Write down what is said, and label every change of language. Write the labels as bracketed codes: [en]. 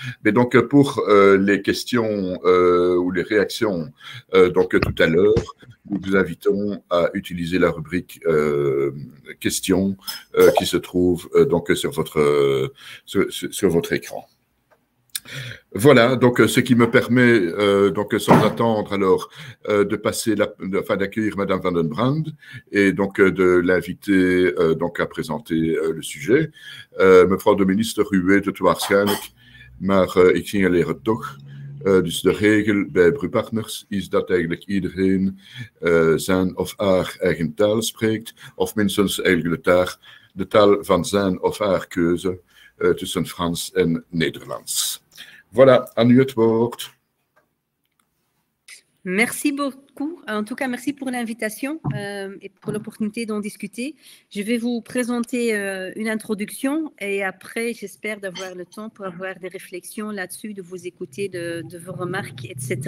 [fr] Mais pour les questions ou les réactions tout à l'heure, nous vous invitons à utiliser la rubrique questions qui se trouve sur votre écran. Voilà, ce qui me permet, sans attendre, de passer enfin, d'accueillir Madame Van den Brandt et de l'inviter à présenter le sujet. [nl] Mevrouw de minister, u weet het waarschijnlijk, maar ik signaleer het toch. Dus de règle bij Bru Partners is dat eigenlijk iedereen zijn of haar eigen taal spreekt, of minstens eigenlijk de taal van zijn of haar keuze tussen Frans en Nederlands. [fr] Voilà, à nous de Merci beaucoup. En tout cas, merci pour l'invitation et pour l'opportunité d'en discuter. Je vais vous présenter une introduction et après, j'espère d'avoir le temps pour avoir des réflexions là-dessus, de vous écouter, de vos remarques, etc.